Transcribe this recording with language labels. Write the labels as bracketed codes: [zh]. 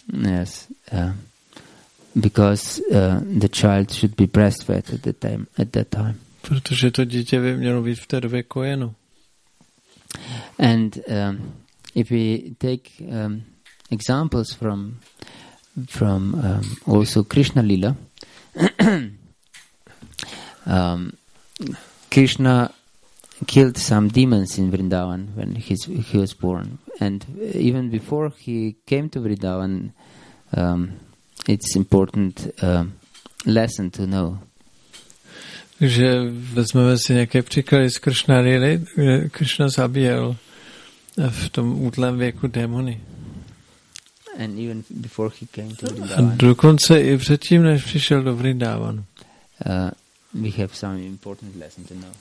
[en] Yes, because the child should be breastfed at that time. [cs] Protože to dítě by mělo být v té době kojeno. [en] And if we take examples from also Krishna Lila, Krishna killed some demons in Vrindavan when he was born, and even before he came to Vrindavan, it's important lesson to know. [cs] Takže vezmeme si nějaké příklady z Krishna Lily, kde Krishna zabíjel v tom útlém věku démony. [en] And even before he came to Vrindavan. [cs] A dokonce i předtím, než přišel do Vrindavan. [en] We have some important lesson to know.